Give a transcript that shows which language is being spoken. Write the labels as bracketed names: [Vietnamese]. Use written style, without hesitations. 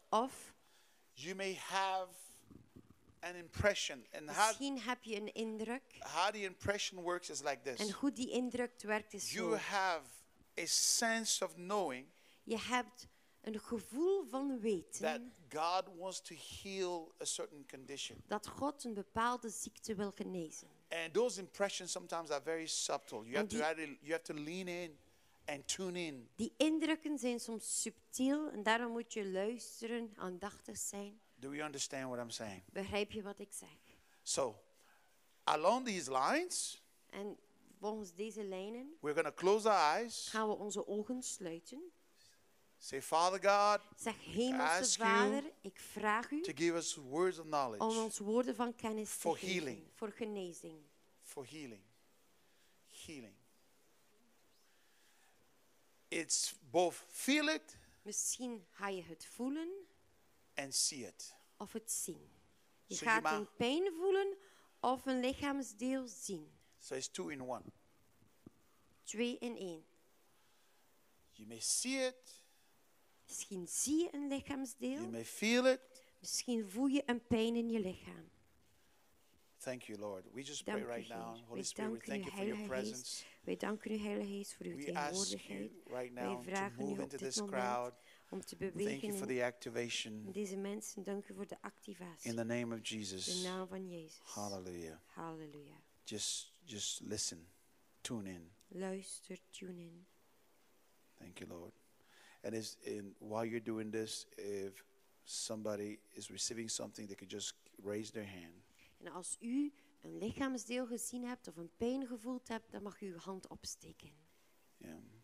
[Dutch] of, [English] you may have an impression. And how? [Dutch] Misschien heb je een indruk. [English] How the impression works is like this. [Dutch] En hoe die indruk werkt is zo. [English] You have a sense of knowing. [Dutch] Je hebt een gevoel van weten. [English] That God wants to heal a certain condition. [Dutch] Dat God een bepaalde ziekte wil genezen. [English] And those impressions sometimes are very subtle. You have to lean in and tune in. [Dutch] Die indrukken zijn soms subtiel en daarom moet je luisteren, aandachtig zijn. [English] Do we understand what I'm saying? [Dutch] Begrijp je wat ik zeg? [English] So, along these lines, [Dutch] en volgens deze lijnen, [English] we're going to close our eyes. [Dutch] Gaan we onze ogen sluiten. [English] Say, Father God, [Dutch] zeg Hemelse Vader, ik vraag u [English] to give us words of knowledge [Dutch] om ons woorden van kennis [English] for [Dutch] te [English] healing. [Dutch] Geven voor genezing. [English] For healing. Healing. It's both feel it. [Dutch] Misschien ga je het voelen. [English] And see it. [Dutch] Of het zien. Je so gaat een pijn voelen of een lichaamsdeel zien. [English] So it's two in one. [Dutch] Twee in één. [English] You may see it. [Dutch] Misschien zie je een lichaamsdeel. [English] You may feel it. [Dutch] Misschien voel je een pijn in je lichaam. [English] Thank you, Lord. We just [Dutch] dank [English] pray right [Dutch] Heer. [English] Now. Holy Spirit, we thank you for your presence. [Dutch] Wij danken u, Heilige Geest, voor uw tegenwoordigheid. [English] We ask you right now to move into this crowd. [Dutch] Om te bewegen. [English] Thank you for the activation. [Dutch] Deze mensen, dank u voor de activatie. [English] In the name of Jesus. [Dutch] In de naam van Jezus. [English] Hallelujah. [Dutch] Hallelujah. [English] Just listen. Tune in. [Dutch] Luister, tune in. [English] Thank you, Lord. And is in while you're doing this, if somebody is receiving something, they could just raise their hand. [Dutch] En als u een lichaamsdeel gezien hebt of een pijn gevoeld hebt, dan mag u uw hand opsteken. Ja. Yeah.